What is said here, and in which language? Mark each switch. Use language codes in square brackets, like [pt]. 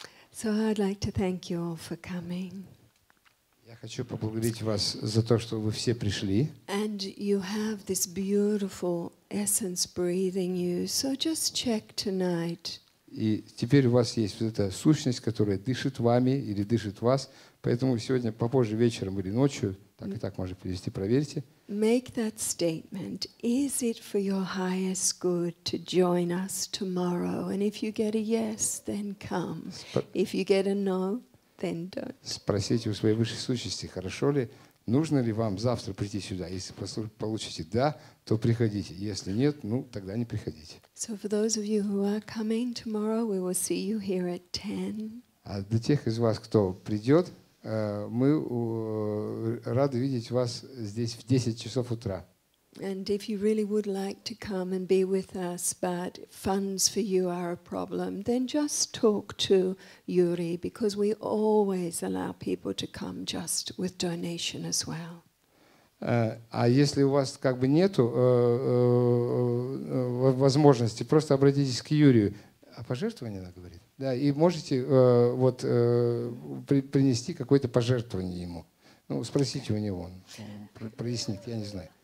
[en] So I'd like to thank you all for coming. [ru] Я хочу поблагодарить вас за то, что вы все пришли. [en] And you have this beautiful essence breathing you. So just check tonight. [ru] И теперь у вас есть вот эта сущность, которая дышит вами или дышит вас. Поэтому сегодня попозже вечером или ночью, так и так можно привести, проверьте. [en] Make that statement. Is it for your highest good to join us tomorrow? And if you get a yes, then come. If you get a no, then don't. [ru] Спросите у своей высшей сущности, хорошо ли, нужно ли вам завтра прийти сюда. Если получите да, то приходите. Если нет, ну, тогда не приходите. [en] So for those of you who are coming tomorrow, we will see you here at 10. [ru] А для тех из вас, кто придет, мы рады видеть вас здесь в 10 часов утра. [en] And if you really would like to come and be with us, but funds for you are a problem, then just talk to Yuri, because we always allow people to come just with donation as well. [ru] А если у вас как бы нету возможности, просто обратитесь к Юрию. А пожертвование, она говорит? Да, и можете вот принести какое-то пожертвование ему. Ну, спросите у него, он прояснит, я не знаю.